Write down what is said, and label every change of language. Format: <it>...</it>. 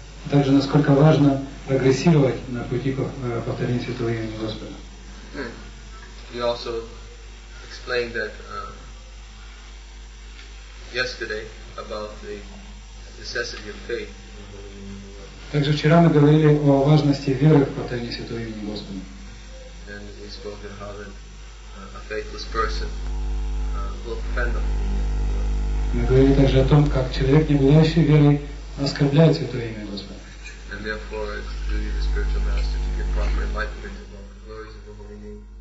<ru>Также, насколько важно прогрессировать на пути повторения Святого Имени Господа.</ru> <en>We also explained that yesterday about the necessity of faith.</en> <ru>Также вчера мы говорили о важности веры в повторение Святого Имени Господа.</ru> <en>And we spoke of how that a faithless person will offend the Holy Name.</en> <ru>Мы говорили также о том, как человек, не обладающий верой, оскорбляет Святое Имя Господа.</ru> <en>And therefore it's the duty of the spiritual master to give proper enlightenment about the glories of the Holy Name.</en>